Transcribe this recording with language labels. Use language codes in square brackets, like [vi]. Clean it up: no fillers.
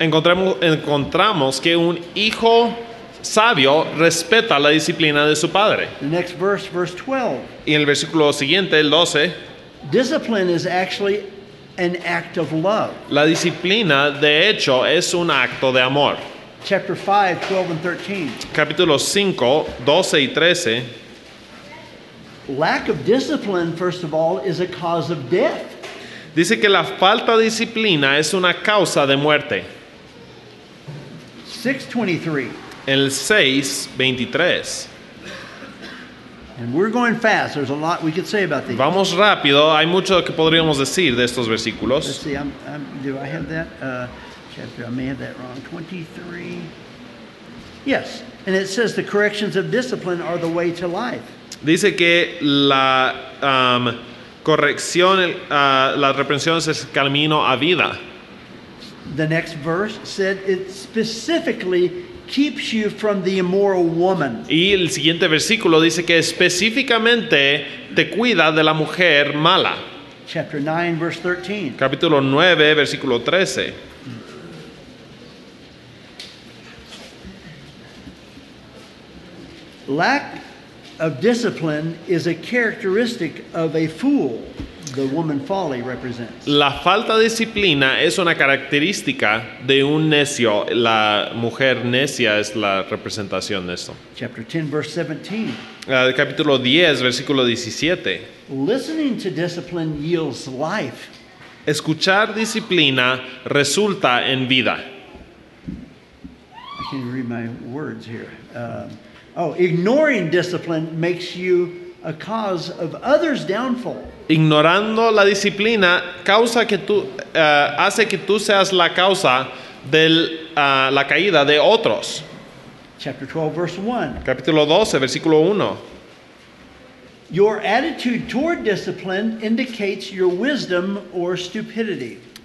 [es] Encontramos que un hijo sabio respeta la disciplina de su padre. [en] The next verse, verse 12. [es] Y en el versículo siguiente, el 12. [en] Discipline is actually an act of love. [es] La disciplina, de hecho, es un acto de amor. [en] Chapter 5, 12 and 13. [es] Capítulo 5, 12 y 13. [en] Lack of discipline, first of all, is a cause of death. [es] Dice que la falta de disciplina es una causa de muerte. [en] 6:23. [es] El 6:23. [en] And we're going fast. There's a lot we could say about these. [es] Vamos rápido. Hay mucho que podríamos decir de estos versículos. [en] Let's see. Do I have that? Chapter. I may have that wrong. 23. Yes. And it says the corrections of discipline are the way to life. [es] Dice que la corrección, la reprensión es el camino a vida. [en] The next verse said it specifically keeps you from the immoral woman. [es] Y el siguiente versículo dice que específicamente te cuida de la mujer mala. [en] Chapter 9, verse 13. [es] Capítulo 9, versículo 13. [en] Lack of discipline is a characteristic of a fool. The woman folly represents. [es] La falta de disciplina es una característica de un necio. La mujer necia es la representación de esto. [en] Chapter 10, verse 17. [es] Capítulo 10, versículo 17. [en] Listening to discipline yields life. [es] Escuchar disciplina resulta en vida. [en] I can't read my words here. Ignoring discipline makes you a cause of others' downfall. [es] Ignorando la disciplina causa que tú hace que tú seas la causa de la caída de otros. [en] Chapter 12, verse 1. [es] Capítulo 12, versículo 1. [en] Your attitude toward discipline indicates your wisdom or stupidity.